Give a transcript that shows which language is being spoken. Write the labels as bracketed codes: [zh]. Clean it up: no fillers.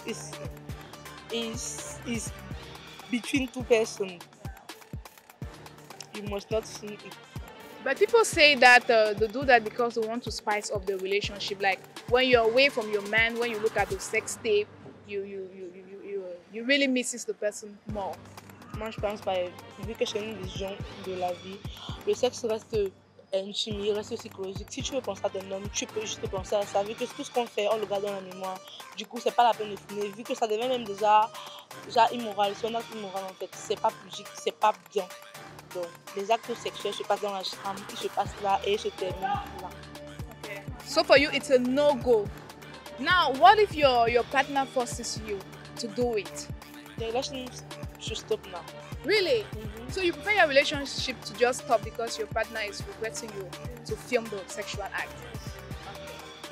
[en] It's between two persons. You must not see it. But people say that they do that because they want to spice up the relationship. Like when you're away from your man, when you look at the sex tape, you really miss the person more. [fr] Moi, je pense pas. Vu que je connais les gens de la vie, le sexe reste intime, il reste psychologique. Si tu veux penser à ton homme, tu peux juste penser à ça. Vu que tout ce qu'on fait, on le garde dans la mémoire. Du coup, c'est pas la peine de finir. Vu que ça devient même déjà immoral, c'est un acte immoral en fait. C'est pas logique, c'est pas bien. Donc, les actes sexuels se passent dans la chambre, ils se passent là et se terminent là. [en] Okay. So for you, it's a no-go. Now, what if your partner forces you to do it? The relationship should stop now. Really? Mm-hmm. So you prefer your relationship to just stop because your partner is requesting you to film the sexual act? Yes. Okay.